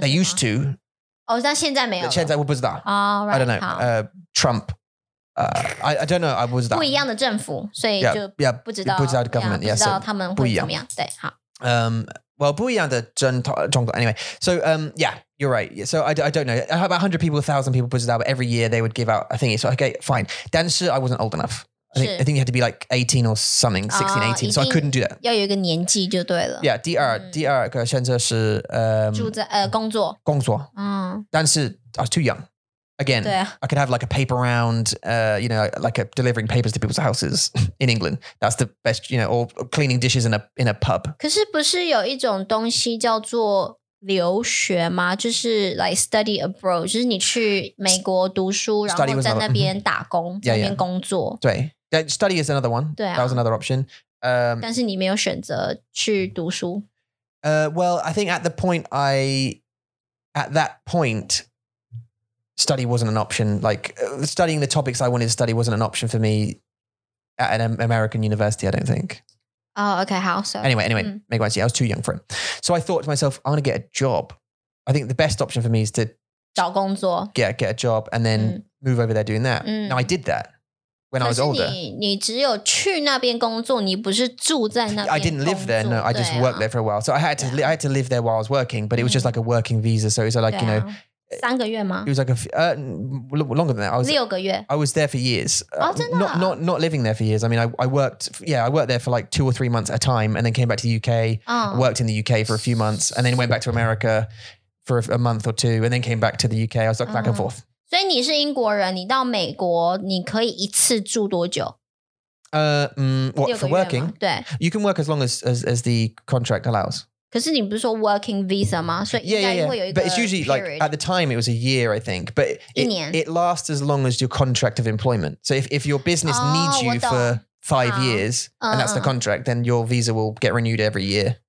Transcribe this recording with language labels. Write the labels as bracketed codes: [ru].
[en] They used to. Oh, [zh] 但现在没有了。现在我不知道。 [en] Oh, right, I don't know. Trump I don't know, I was that. [zh] 不一样的政府，所以就不知道 [en] government, yeah, [zh] 不知道他们会怎么样。对，好。不一样的政党，中国。 [en] Anyway, so yeah, you're right. So I don't know. About 100 people, 1,000 people, [zh] 不知道, [en] but every year they would give out a thingy. So okay, fine. [zh] 但是 [en] I wasn't old enough. I think you had to be like 18 or something, 16, 18. So I couldn't do that. [zh] 要有一个年纪就对了。 [en] Yeah, [zh] 第二个选择是工作。但是 [en] I was too young. Again, I could have like a paper round, you know, like a delivering papers to people's houses in England. That's the best, you know, or cleaning dishes in a pub. [zh] 可是不是有一种东西叫做留学吗? 就是 [en] like study abroad, [zh] 就是你去美国读书,然后在那边打工,在那边工作。 [en] 对, study is another one. That was another option. [zh] 但是你没有选择去读书。 [en] Well, I think at that point, study wasn't an option. Like studying the topics I wanted to study wasn't an option for me at an American university, I don't think. Oh, okay. How so? Anyway, make sense. I was too young for it. So I thought to myself, I want to get a job. I think the best option for me is to [zh] 找工作. [en] Get a job and then move over there doing that. Now I did that when I was older. [zh] 你只有去那边工作，你不是住在那边工作。 [en] I didn't live there. No, I just worked there for a while. So I had to, I had to live there while I was working, but it was just like a working visa. So it was like, you know, [zh] 三个月吗? [en] It was like longer than that. I was there for years. Not living there for years. I mean, I worked there for like 2 or 3 months at a time and then came back to the UK, worked in the UK for a few months and then went back to America for a month or two and then came back to the UK. I was like back and forth. [zh] 所以你是英国人,你到美国,你可以一次住多久? [en] What, for working? [zh] 对。 [en] You can work as long as the contract allows. [zh] 可是你不是说 working visa 吗?所以应该会有一个 [en] But it's usually like, at the time it was a year, I think. But it lasts as long as your contract of employment. So if your business needs you for 5 years, and that's the contract, then your visa will get renewed every year.